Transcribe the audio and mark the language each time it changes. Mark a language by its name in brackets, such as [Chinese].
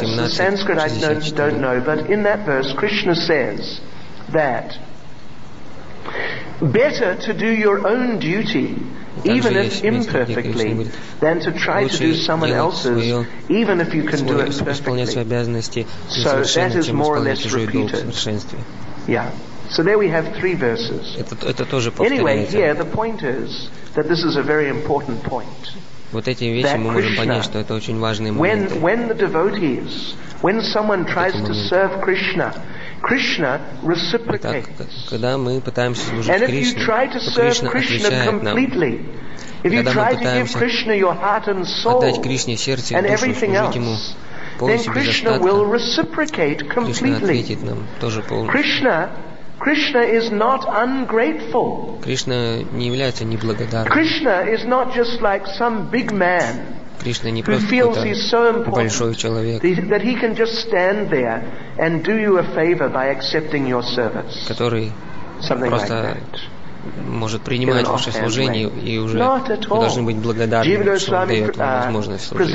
[English] the Sanskrit I don't know, but in that verse Krishna says that better to do your own duty, even if imperfectly, than to try to do someone else's, even if you can do it perfectly. So that is more or less repeated. Yeah. So there we have three verses. Anyway, here the point is that this is a very important point. [Russian] Вот эти вещи мы можем понять, что это очень важный момент. [English] When the devotees, when someone tries to serve Krishna, Krishna reciprocates. [Russian] Когда мы пытаемся служить Кришне, то Кришна отвечает нам. Когда мы пытаемся отдать Кришне сердце и душу, служить Ему полностью без остатка, Кришна ответит нам тоже полностью. [English] Krishna is not ungrateful. [Russian] Кришна не является неблагодарным. [English] Krishna is not just like some big man. [Russian] Кришна не просто большой человек, [English] that he can just stand there and do you a favor by accepting your service. [Russian] Который просто может принимать ваше служение и уже должен быть благодарным, что он дает вам возможность служить.